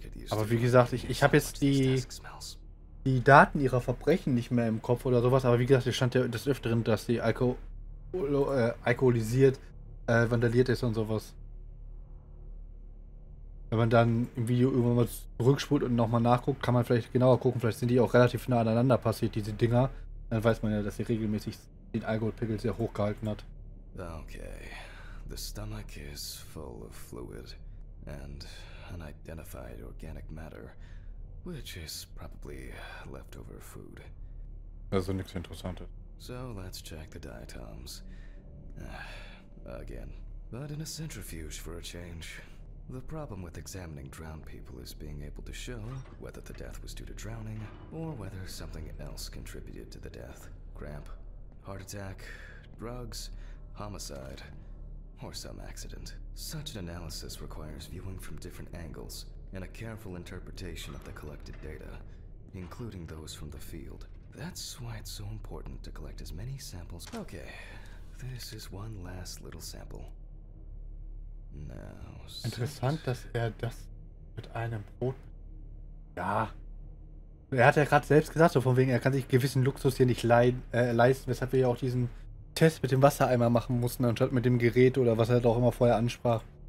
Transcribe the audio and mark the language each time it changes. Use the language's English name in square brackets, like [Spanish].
[German] Aber wie gesagt, ich habe jetzt die Daten ihrer Verbrechen nicht mehr im Kopf oder sowas, aber wie gesagt, es stand ja des Öfteren, dass sie alkoholisiert, vandaliert ist und sowas. Wenn man dann im Video irgendwann mal zurückspult und nochmal nachguckt, kann man vielleicht genauer gucken. Vielleicht sind die auch relativ nah aneinander passiert, diese Dinger. Dann weiß man ja, dass sie regelmäßig den Alkoholpegel sehr hoch gehalten hat. [English] Okay, the stomach is full of fluid and unidentified organic matter, which is probably leftover food. [German] Also nichts Interessantes. [English] So, let's check the diatoms. Again, but in a centrifuge for a change. The problem with examining drowned people is being able to show whether the death was due to drowning or whether something else contributed to the death. Cramp, heart attack, drugs, homicide, or some accident. Such an analysis requires viewing from different angles and a careful interpretation of the collected data, including those from the field. That's why it's so important to collect as many samples. Okay, this is one last little sample. [German] Interessant, dass er das mit einem Brot. Ja. Er hat ja gerade selbst gesagt, so von wegen, er kann sich gewissen Luxus hier nicht leisten, weshalb wir ja auch diesen Test mit dem Wassereimer machen mussten, anstatt mit dem Gerät oder was er da auch immer vorher ansprach.